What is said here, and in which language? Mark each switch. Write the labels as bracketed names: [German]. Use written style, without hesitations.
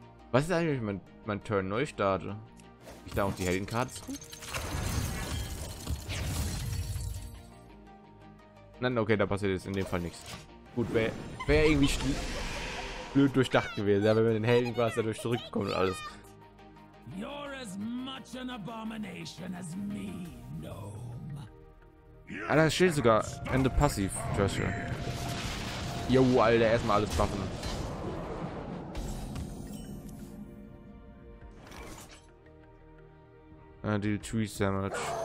[German] Was ist eigentlich, wenn ich mein Turn neu starte? Ich da auch die Heldenkarte zu? Nein, okay, da passiert jetzt in dem Fall nichts. Gut, wäre irgendwie blöd durchdacht gewesen, ja, wenn wir den Helden quasi dadurch zurückbekommen und alles. [English] You're as much an abomination as me, no. [German] Alter, es steht sogar Ende passiv, Joshua. Jo, Alter, erstmal alles buffen. [English] Deal 3 Damage.